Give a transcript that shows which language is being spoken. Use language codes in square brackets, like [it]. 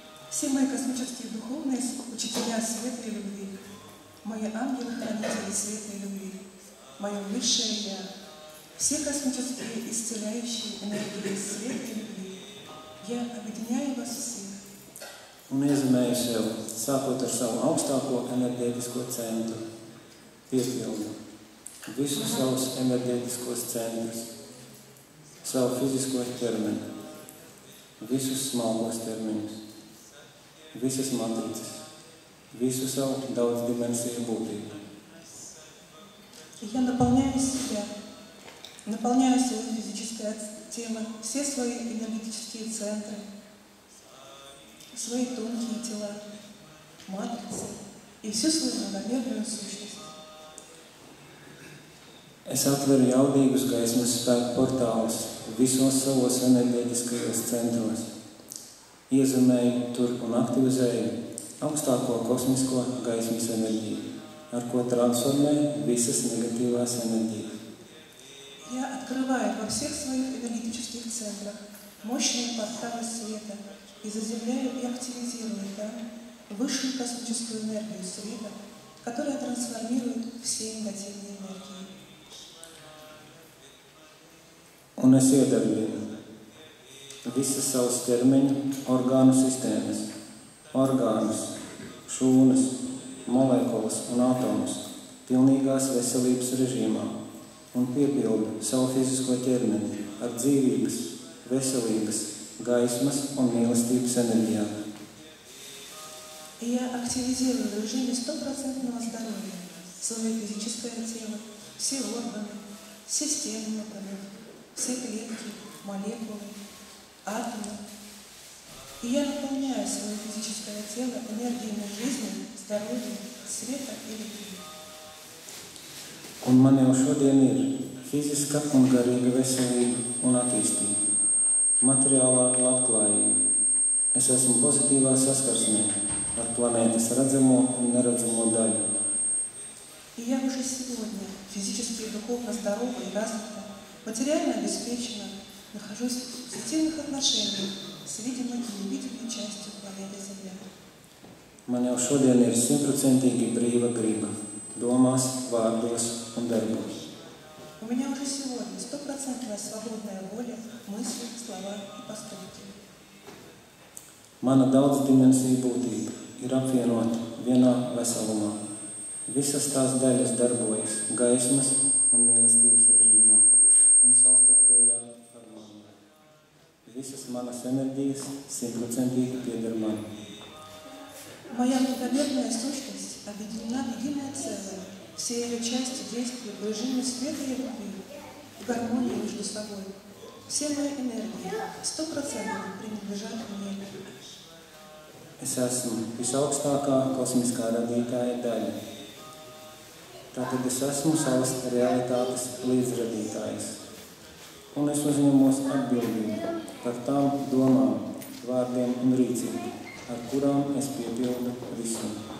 [ru] Все мои космические духовные учителя света и любви, мои ангелы-хранители света и любви, мое высшее Я, все космические исцеляющие энергии света и любви, я объединяю вас всех. [lv] Un iezīmēju sev, sākot ar savu augstāko enerģētisko centru, piepildu visus savus enerģētiskos centrus, savu fizisko ķermeni, visus smalkos ķermeņus, visas matricas, visu savu daudzdimensiju būtību. [ru] Я наполняю себя, наполняю свое физическое тело, все свои энергетические центры, свои тонкие тела, матрицы и всю свою многомерную сущность. [lv] Es atveru jaudīgus gaismas spēku portālus visos savos enerģētiskajos centros. Iezīmēju tur un aktivizēju augstāko kosmisko gaismas enerģiju, ar ko transformēju visas negatīvās enerģijas. [ru] Я открываю во всех своих энергетических центрах мощные порталы света, и заземляю и активизирую там высшую космическую энергию света, которая трансформирует все негативные энергии. [lv] Un es iedarbinu visas savas ķermeņa orgānu sistēmas, orgānus, šūnas, molekulas un atomus pilnīgās veselības režīmā un piepildu savu fizisko ķermeni ar dzīvības, veselības, gaismas un mīlestības enerģijā. [ru] Я активизирую движение 100% здоровья, свое физическое тело, все органы, системы, например, все клетки, молекулы, атомы. И я наполняю свое физическое тело энергиями жизни, здоровья, света и любви. [lv] Un man jau šodien ir fiziska un garīga veselība un attīstība, materiālā labklājība. Es esmu pozitīvā saskarsmē ar planētas redzamo un neredzamo daļu. [ru] Я уже сегодня физически и духовно здорова и развита, материально обеспечена, нахожусь в системных отношениях с видимой и невидимой частью планеты Земля. [lv] Man jau šodien ir 100% brīva griba. Domās, vārdos un darbos. [ru] У меня уже сегодня 100% свободная воля, мысли, слова и поступки. [lv] Mana daudzdimensija būtība ir apvienota vienā veselumā. Visas tās daļas darbojas gaismas un mīlestības režīmā un savstarpējā harmonijā. Visas manas enerģijas 100% pieder man. [ru] Моя многомерная сущность объединена в единое целое. Все ее части действуют в режиме света и любви, в гармонии между собой. Все мои энергии 100% принадлежат мне. [lv] Es esmu visaugstākā kosmiskā radītāja daļa. Tātad es esmu savas realitātes līdzradītājs. Un es uzņemos atbildību par tām domām, vārdiem un rīcību, ar kurām es piepildu visu.